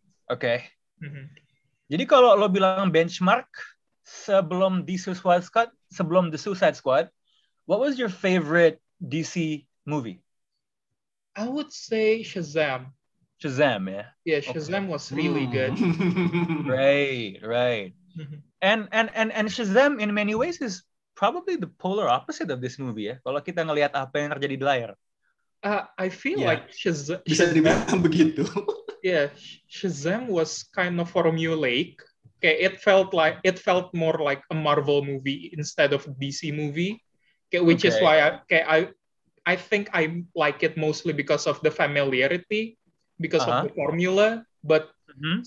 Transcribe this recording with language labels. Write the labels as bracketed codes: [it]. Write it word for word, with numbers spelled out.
[id] Okay. Mm-hmm. Jadi kalau lo bilang benchmark sebelum The Suicide Squad, sebelum The Suicide Squad, [en] what was your favorite D C movie? I would say Shazam. Shazam, yeah. Yeah, Shazam okay. was really mm. good. Right, right. Mm-hmm. And and and and Shazam in many ways is probably the polar opposite of this movie ya. [id] Kalau kita ngelihat apa yang terjadi di layar. [en] Uh, I feel yeah. like Shazam [id] bisa dibilang begitu. [en] Yeah, Shazam was kind of formulaic. Kayak it felt like it felt more like a Marvel movie instead of D C movie. Kayak, which okay. is why I, kayak I I think I like it mostly because of the familiarity, because uh-huh. of the formula. But mm-hmm.